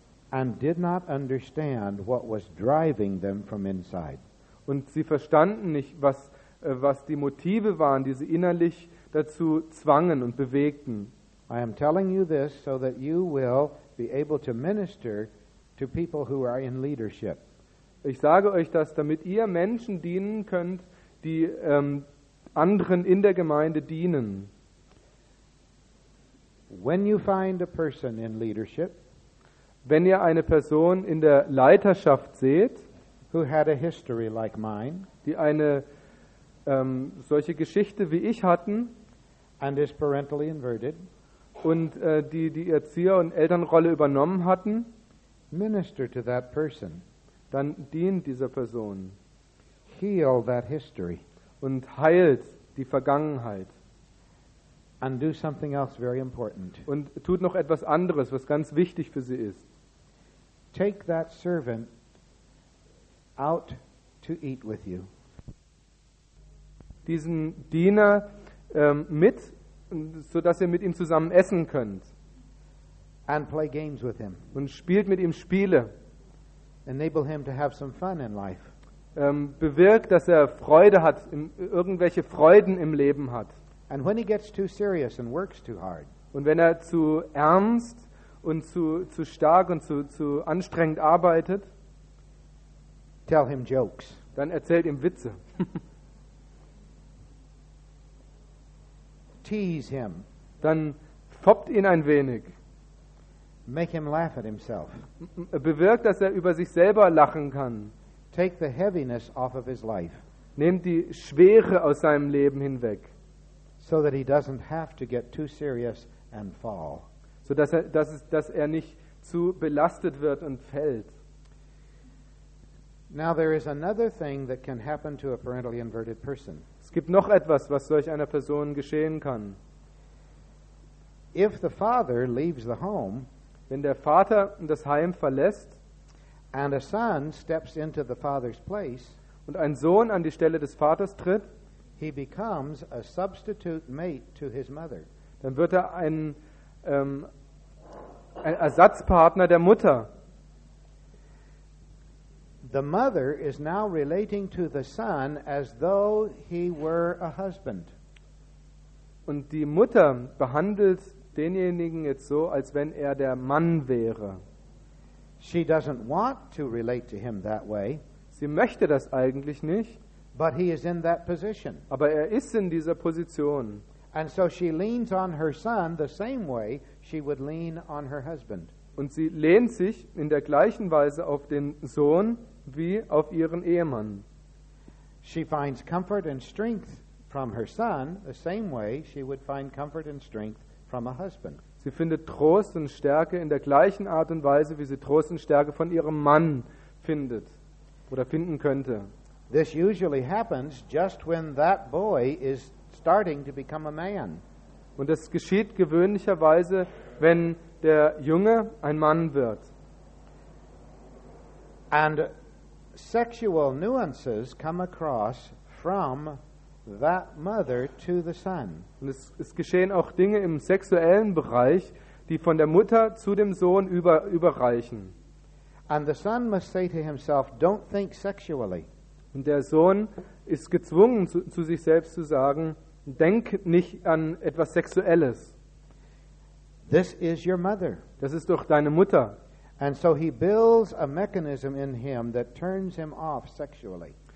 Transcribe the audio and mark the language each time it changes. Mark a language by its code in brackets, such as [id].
[en] And did not understand what was driving them from inside. [de] Und sie verstanden nicht, was die Motive waren, die sie innerlich dazu zwangen und bewegten. [en] I am telling you this so that you will be able to minister to people who are in leadership. [de] Ich sage euch das, damit ihr Menschen dienen könnt, die anderen in der Gemeinde dienen. [en] When you find a person in leadership, [de] wenn ihr eine Person in der Leiterschaft seht, [en] who had a history like mine, [de] die eine solche Geschichte wie ich hatten, [en] and is parentally inverted, [de] und die Erzieher- und Elternrolle übernommen hatten, [en] minister to that person, [de] dann dient dieser Person. [en] Heal that history. [de] Und heilt die Vergangenheit. [en] And do something else very important. [de] Und tut noch etwas anderes, was ganz wichtig für sie ist. [en] Take that servant out to eat with you. [de] Diesen Diener mit, sodass ihr mit ihm zusammen essen könnt. [en] And play games with him. [de] Und spielt mit ihm Spiele. [en] Enable him to have some fun in life. [de] Bewirkt, dass er Freude hat, irgendwelche Freuden im Leben hat. [en] And when he gets too serious and works too hard. [de] Und wenn er zu ernst und zu stark und zu anstrengend arbeitet, [en] tell him jokes. [de] Dann erzählt ihm Witze. [en] Tease him. [de] Dann foppt ihn ein wenig. [en] Make him laugh at himself. [de] Bewirkt, dass er über sich selber lachen kann. [en] Take the heaviness off of his life. [de] Nehmt die Schwere aus seinem Leben hinweg. [en] So that he doesn't have to get too serious and fall. [de] So dass er nicht zu belastet wird und fällt. [en] Now there is another thing that can happen to a parentally inverted person. [de] Es gibt noch etwas, was solch einer Person geschehen kann. [en] If the father leaves the home, [de] wenn der Vater das Heim verlässt, [en] and a son steps into the father's place, [de] und ein Sohn an die Stelle des Vaters tritt, [en] he becomes a substitute mate to his mother. [de] Dann wird er ein Ersatzpartner der Mutter. [en] The mother is now relating to the son as though he were a husband. [de] Und die Mutter behandelt denjenigen jetzt so, als wenn er der Mann wäre. [en] She doesn't want to relate to him that way. [de] Sie möchte das eigentlich nicht. [en] But he is in that position. [de] Aber er ist in dieser Position. [en] And so she leans on her son the same way she would lean on her husband. [de] Und sie lehnt sich in der gleichen Weise auf den Sohn wie auf ihren Ehemann. [en] She finds comfort and strength from her son the same way she would find comfort and strength from a husband. [de] Sie findet Trost und Stärke in der gleichen Art und Weise, wie sie Trost und Stärke von ihrem Mann findet oder finden könnte. [en] This usually happens just when that boy is starting to become a man. [de] Und das geschieht gewöhnlicherweise, wenn der Junge ein Mann wird. [en] And sexual nuances come across from that mother to the son. [de] Und es geschehen auch Dinge im sexuellen Bereich, die von der Mutter zu dem Sohn überreichen. [en] And the son must say to himself, don't think sexually. [de] Und der Sohn ist gezwungen, zu sich selbst zu sagen, denk nicht an etwas Sexuelles. [en] This is your mother. [de] Das ist doch deine Mutter. [en] And so he builds a mechanism in him that turns him off sexually.